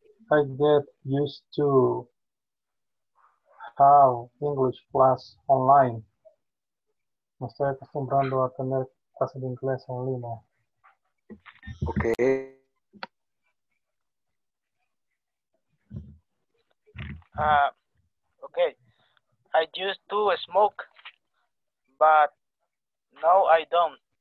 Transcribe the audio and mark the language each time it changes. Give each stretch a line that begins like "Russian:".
English: I get used to how English class online.
Spanish: Me estoy acostumbrando a tener clases de inglés en línea.
English: Okay. Okay. I used to smoke, but now I don't.